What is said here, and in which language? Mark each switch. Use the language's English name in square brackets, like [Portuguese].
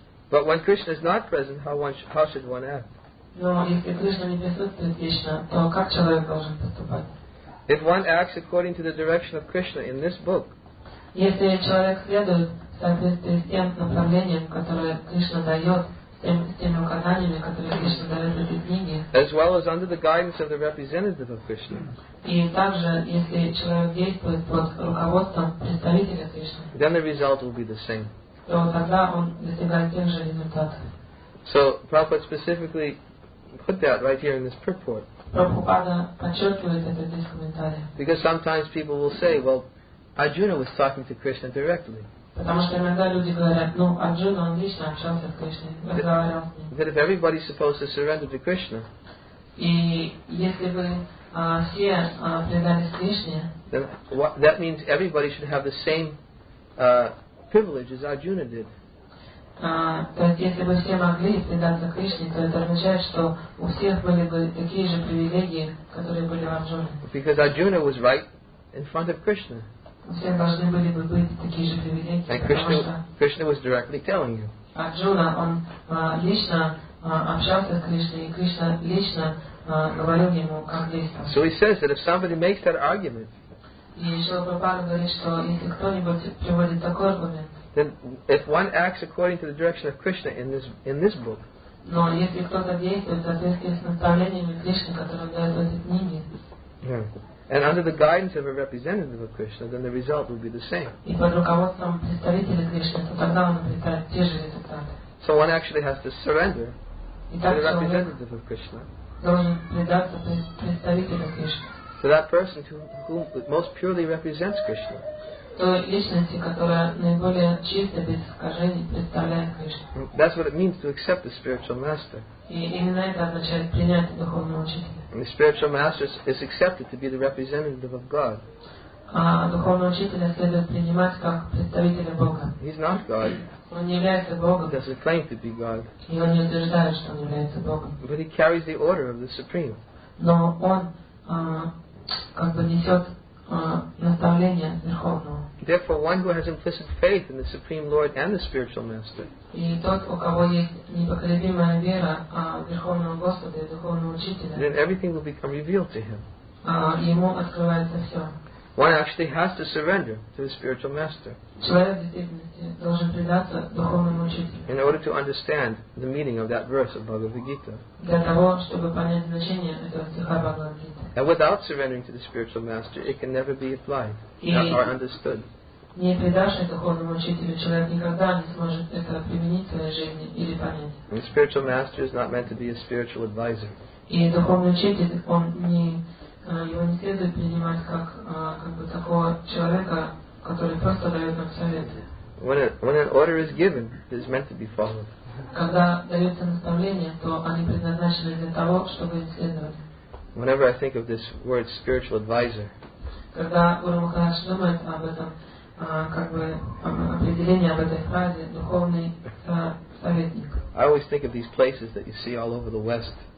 [English] But when Krishna is not present, how should one act? [Russian] Но если Кришна не присутствует лично, то как человек должен поступать? [English] If one acts according to the direction of Krishna in this book, [Russian] если человек следует в соответствии с тем направлением, которое Кришна дает, с теми указаниями, которые Кришна дает в этой книге, [English] as well as under the guidance of the representative of Krishna, [Russian] и также, если человек действует под руководством представителя Кришны, [English] then the result will be the same. [Russian] То тогда он достигает тех же результатов. [English] So Prabhupada specifically put that right here in this purport. [Russian] Прабхупада подчеркивает это здесь в комментарии. [English] Because sometimes people will say, well, Arjuna was talking to Krishna directly. [Russian] Потому что иногда люди говорят, ну, Арджуна, он лично общался с Кришной, разговаривал с ним. [English] That if everybody's supposed to surrender to Krishna, [Russian] и если бы все предались Кришне, [English] that means everybody should have the same privilege as Arjuna did. [Russian] То есть, если бы все могли предаться Кришне, то это означает, что у всех были бы такие же привилегии, которые были в Арджуне. [English] Because Arjuna was right in front of Krishna. [Russian] Все должны были бы быть такие же привилегии, and потому Krishna, что Krishna was you. Арджуна, он лично общался с Кришной, и Кришна лично говорил ему, как действовать. [English] So he says that if somebody makes that argument, [Russian] и Шрила Прабхупада говорит, что если кто-нибудь приводит такой аргумент, [English] then if one acts according to the direction of Krishna in this book, [Russian] но если кто-то действует в соответствии с наставлениями Кришны, которые дают в этой книге, [English] and under the guidance of a representative of Krishna, then the result would be the same. [Russian] И под руководством представителя Кришны, то тогда он представит те же результаты. [English] So one actually has to surrender to the representative of Krishna. [Russian] Должен предаться представителю Кришны. [English] To that person who most purely represents Krishna. [Russian] Той личности, которая наиболее чисто, без искажений, представляет Кришну. [English] That's what it means to accept the spiritual master. [Russian] И именно это означает принять духовного учителя. [English] And the spiritual master is accepted to be the representative of God. [Russian] А духовного учителя следует принимать как представителя Бога. [English] He's not God. [Russian] Он не является Богом. [English] He doesn't claim to be God. [Russian] И он не утверждает, что он является Богом. [English] But he carries the order of the Supreme. [Russian] Но он как бы несет наставление Верховного. [English] Therefore, one who has implicit faith in the Supreme Lord and the Spiritual Master, [Russian] и тот, у кого есть непоколебимая вера в Верховного Господа и Духовного Учителя, [English] then everything will become revealed to him. [Russian] Ему открывается все. [English] One actually has to surrender to the Spiritual Master. [Russian] Человек в действительности должен предаться Духовному Учителю. [English] In order to understand the meaning of that verse of Bhagavad Gita. [Russian] Для того, чтобы понять значение этого стиха Бхагавад Гиты. [English] And without surrendering to the spiritual master, it can never be applied or understood. [Russian] Не предавший духовному учителю, человек никогда не сможет это применить в своей жизни или понять. [English] The spiritual master is not meant to be a spiritual advisor. [Russian] И духовный учитель, он не, его не следует принимать как бы такого человека, который просто дает нам советы. [English] When an order is given, it is meant to be followed. [Russian] Когда дается наставление, то они предназначены для того, чтобы им следовать. [English] Whenever I think of this word spiritual advisor, [Russian] когда Гуру Махарадж думает об этом, как бы определение об этой фразе, духовный советник, [English] I always think of these places that you see all over the West.